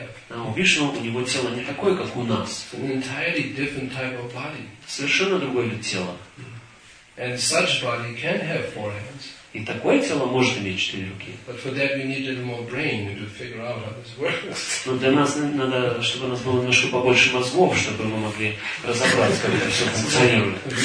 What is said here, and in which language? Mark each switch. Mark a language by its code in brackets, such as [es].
[ru] А у Вишну у него тело не такое, как у нас. [en] An entirely different type of body. [ru] Совершенно другое вид тела. [en] And such body can have four hands. [ru] И такое тело может иметь четыре руки. [en] But for that we need a little more brain to figure out how this works. [ru] Но для нас надо, чтобы у нас было немножко побольше мозгов, чтобы мы могли разобраться, как это все функционирует.